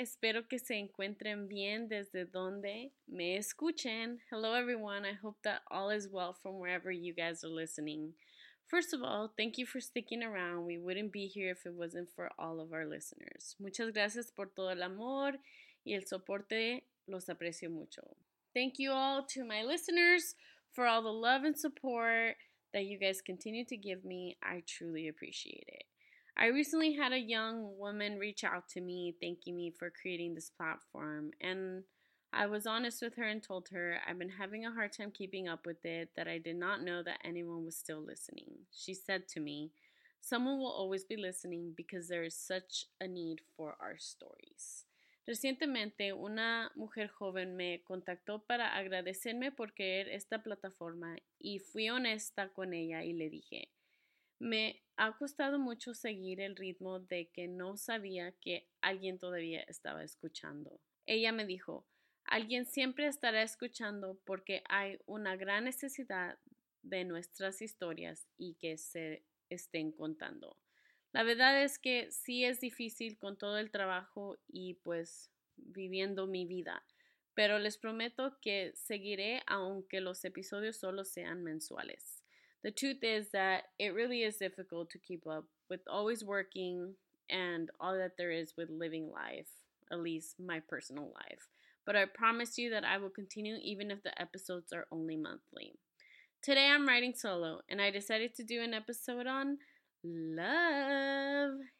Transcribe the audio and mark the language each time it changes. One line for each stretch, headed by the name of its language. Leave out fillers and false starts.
Spanish: Espero que se encuentren bien desde donde me escuchen.
English: Hello everyone. I hope that all is well from wherever you guys are listening. First of all, thank you for sticking around. We wouldn't be here if it wasn't for all of our listeners.
Spanish: Muchas gracias por todo el amor y el soporte. Los aprecio mucho.
English: Thank you all to my listeners for all the love and support that you guys continue to give me. I truly appreciate it. I recently had a young woman reach out to me thanking me for creating this platform, and I was honest with her and told her I've been having a hard time keeping up with it, that I did not know that anyone was still listening. She said to me, "Someone will always be listening because there is such a need for our stories."
Spanish: Recientemente, una mujer joven me contactó para agradecerme por crear esta plataforma y fui honesta con ella y le dije, "Me ha costado mucho seguir el ritmo de que no sabía que alguien todavía estaba escuchando." Ella me dijo, "Alguien siempre estará escuchando porque hay una gran necesidad de nuestras historias y que se estén contando." La verdad es que sí es difícil con todo el trabajo y pues viviendo mi vida, pero les prometo que seguiré aunque los episodios solo sean mensuales.
English: The truth is that it really is difficult to keep up with always working and all that there is with living life, at least my personal life. But I promise you that I will continue even if the episodes are only monthly. Today I'm writing solo, and I decided to do an episode on love.